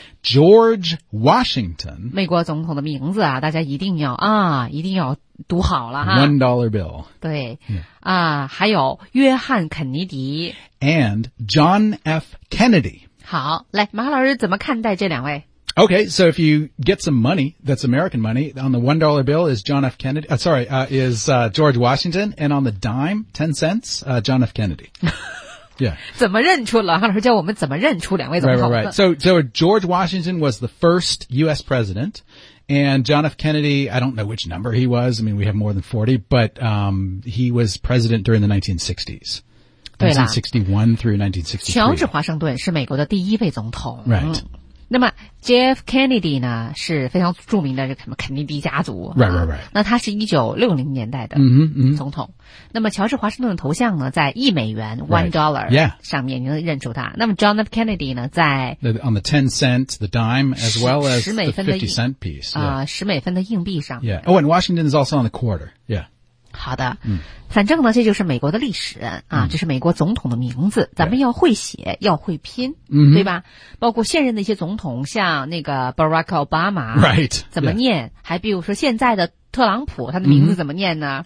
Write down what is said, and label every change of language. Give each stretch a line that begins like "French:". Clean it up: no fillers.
English: George Washington.
Chinese: 美国总统的名字啊大家一定要啊一定要读好了啊。
English: $1 bill.
Chinese: 对。
English: Yeah.
Chinese: 啊还有约翰肯尼迪。
English: And John F. Kennedy.
Chinese: 好。来马老师怎么看待这两位
English: Okay, so if you get some money, that's American money, on the $1 bill is John F. Kennedy, George Washington, and on the dime, 10 cents, John F. Kennedy. Yeah.
Chinese: 怎么认出了？老师叫我们怎么认出两位总统？
English: Right. So George Washington was the first U.S. president, and John F. Kennedy, I don't know which number he was, I mean, we have more than 40, but, he was president during the 1960s. 1961 through 1963.
Chinese: 乔治华盛顿是美国的第一位总统。
English: Right.
Chinese: 那么 ,JF Kennedy 呢是非常著名的这个什么肯尼迪家族。
English: Right, right, right.
Chinese: 那他是1960年代的总统。那么乔治华盛顿的头像呢在一美元 $1 上面你能认出他。
English: Yeah.
Chinese: 那么 John F. Kennedy 呢在
English: On the 10 cent, the dime, as well as the 50 cent piece.
Chinese: 10美分的硬币上。
English: Yeah. Oh, and Washington is also on the quarter. Yeah.
Chinese: 好的，反正呢，这就是美国的历史啊，这是美国总统的名字，咱们要会写，要会拼，对吧？包括现任的一些总统，像那个 Barack Obama，
English: right，
Chinese: 怎么念？
English: Yeah.
Chinese: 还比如说现在的特朗普，他的名字怎么念呢？